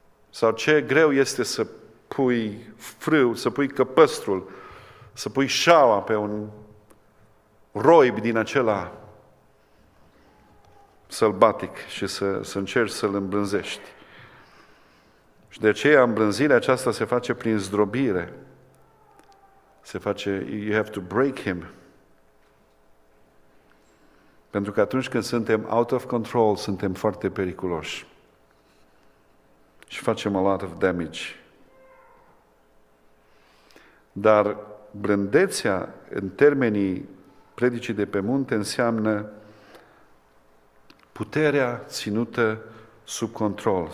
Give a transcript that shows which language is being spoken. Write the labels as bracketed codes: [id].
[ro] Sau ce greu este să pui frâu, să pui căpăstrul, să pui șaua pe un roib din acela sălbatic și să încerci să-l îmblânzești. Și de aceea îmblânzirea aceasta se face prin zdrobire. Se face, [en] you have to break him. [ro] Pentru că atunci când suntem [en] out of control, [ro] suntem foarte periculoși. Și facem [en] a lot of damage. [ro] Dar blândețea în termenii predicii de pe munte înseamnă puterea ținută sub control.